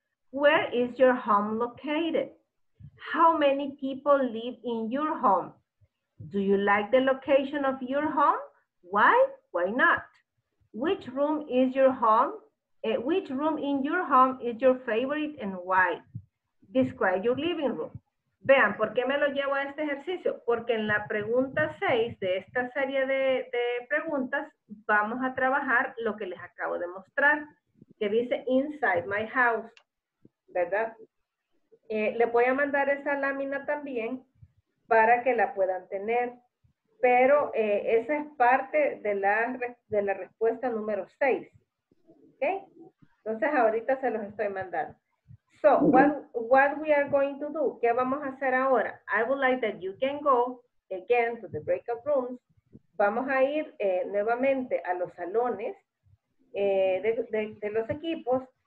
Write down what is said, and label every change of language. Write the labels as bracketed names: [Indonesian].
[English] Where is your home located? How many people live in your home? Do you like the location of your home? Why? Why not? Which room is your home? Which room in your home is your favorite and why? Describe your living room. [Spanish] Vean, ¿por qué me lo llevo a este ejercicio? Porque en la pregunta 6 de esta serie de preguntas vamos a trabajar lo que les acabo de mostrar, que dice [English] inside my house, [Spanish] ¿verdad? Le voy a mandar esa lámina también para que la puedan tener, pero esa es parte de la respuesta número 6, ¿ok? Entonces ahorita se los estoy mandando. [English] So, what we are going to do, [Spanish] ¿qué vamos a hacer ahora? [English] I would like that you can go again to the breakout rooms. [Spanish] Vamos a ir nuevamente a los salones de los equipos.